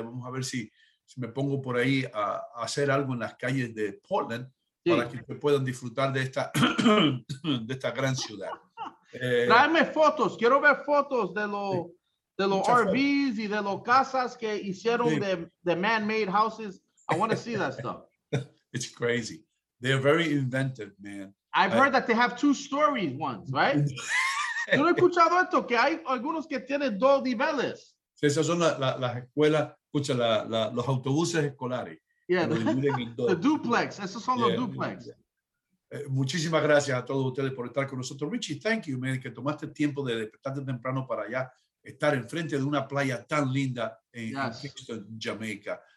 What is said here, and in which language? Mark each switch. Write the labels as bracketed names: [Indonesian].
[Spanish] Vamos a ver si me pongo por ahí a hacer algo en las calles de Portland para que puedan disfrutar de esta, de esta gran ciudad. Tráeme fotos. Quiero ver fotos de los RVs y de las casas que hicieron de man-made houses. [English] I want to see that stuff. It's crazy. They're very inventive, man. I've heard that they have 2-story ones, right? [Spanish] ¿Tú no has escuchado esto? Que hay algunos que tienen 2 niveles. Sí, esas son las escuelas, escucha, los autobuses escolares. [English] Yeah, the duplex. [Spanish] Esos son los duplex. Muchísimas gracias a todos ustedes por estar con nosotros. Richie, [English] thank you, man, [Spanish] que tomaste el tiempo de despertarte temprano para allá estar enfrente de una playa tan linda en Kingston, Jamaica.